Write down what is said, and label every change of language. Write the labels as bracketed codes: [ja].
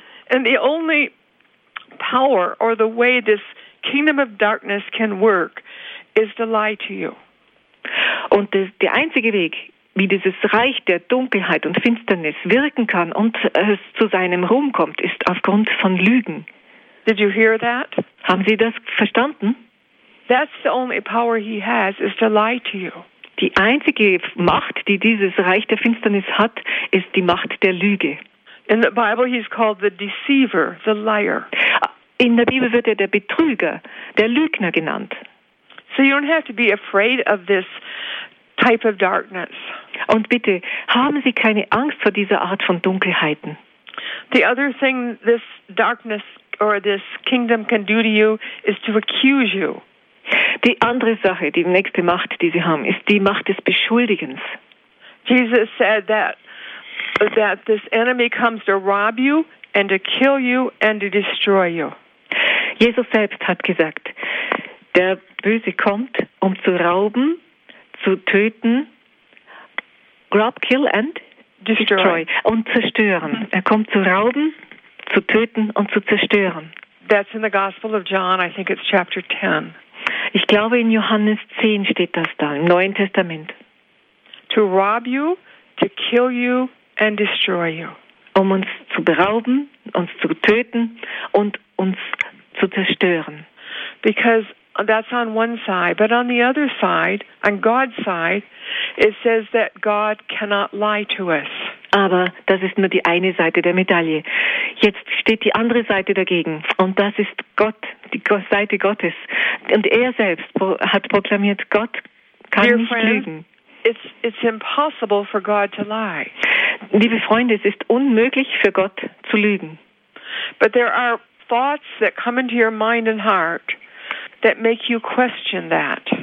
[en] And the only power or the way this kingdom of darkness can work is to lie to you. [de] Und der einzige Weg, wie dieses Reich der Dunkelheit und Finsternis wirken kann und es zu seinem Ruhm kommt, ist aufgrund von Lügen. [en] Did you hear that? [de] Haben Sie das verstanden? [en] That's the only power he has is to lie to you. [de] Die einzige Macht, die dieses Reich der Finsternis hat, ist die Macht der Lüge. [en] In the Bible he's called the deceiver, the liar. [de] In der Bibel wird er der Betrüger, der Lügner genannt. [en] So you don't have to be afraid of this type of darkness. [de] Und bitte, haben Sie keine Angst vor dieser Art von Dunkelheiten. [en] The other thing this darkness or this kingdom can do to you is to accuse you. [de] Die andere Sache, die nächste Macht, die sie haben, ist die Macht des Beschuldigens. [en] Jesus said that this enemy comes to rob you and to kill you and to destroy you. [de] Jesus selbst hat gesagt, der Böse kommt, um zu rauben, zu töten, [en] rob, kill and destroy. [de] Und zerstören. Er kommt zu rauben, zu töten und zu zerstören. [en] That's in the Gospel of John, I think it's chapter 10. [de] Ich glaube, in Johannes 10 steht das da, im Neuen Testament. [en] To rob you, to kill you and destroy you. [de] Um uns zu berauben, uns zu töten und uns zu zerstören. [en] Because that's on one side. But on the other side, on God's side, it says that God cannot lie to us. [de] Aber das ist nur die eine Seite der Medaille. Jetzt steht die andere Seite dagegen. Und das ist Gott, die Seite Gottes. Und er selbst hat proklamiert, Gott kann [en] Dear [de] nicht [en] friend, [de] lügen. [en] It's impossible for God to lie. [de] Liebe Freunde, es ist unmöglich für Gott zu lügen. [en] But there are thoughts that come into your mind and heart that make you question that.